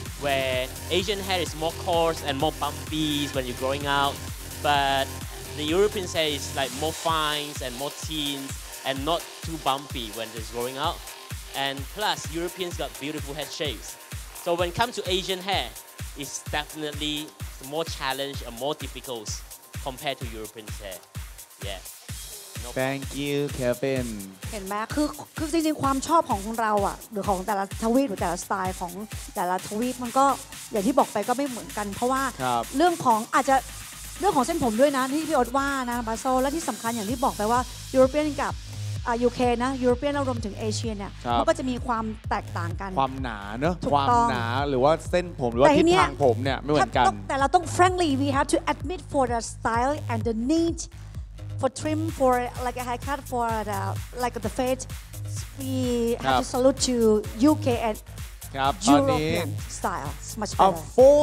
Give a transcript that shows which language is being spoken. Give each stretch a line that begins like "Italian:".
English: Where Asian hair is more coarse and more bumpy when you're growing out, but the European hair is like more fines and more thin and not too bumpy when it's growing out. And plus, Europeans got beautiful head shapes. So when it comes to Asian hair, it's definitely more challenge and more difficult compared to European hair. Yeah. No. Thank you, Kevin.
Thai: เห็นไหมคือจริงๆความชอบของเราอ่ะหรือของแต่ละทวีปหรือแต่ละสไตล์ของแต่ละทวีปมันก็อย่างที่บอกไปก็ไม่เหมือนกันเพราะว่าเรื่องของอาจจะเรื่องของเส้นผมด้วยนะที่พี่อดว่านะบาโซและที่สำคัญอย่างที่บอกไปว่า European กับUK นะยุโรปเนี่ยรวมถึงเอเชียเนี่ยมัน ก็จะมีความแตกต่างกัน ความหนาเนอะความหนาหรือว่าเส้นผมหรือว่าทิศทางผมเนี่ยไม่เหมือนกัน แต่เราต้อง
English: friendly we have to admit for the style and the need for trim for like a haircut for the like the fade we have to salute to UK and European style it's much better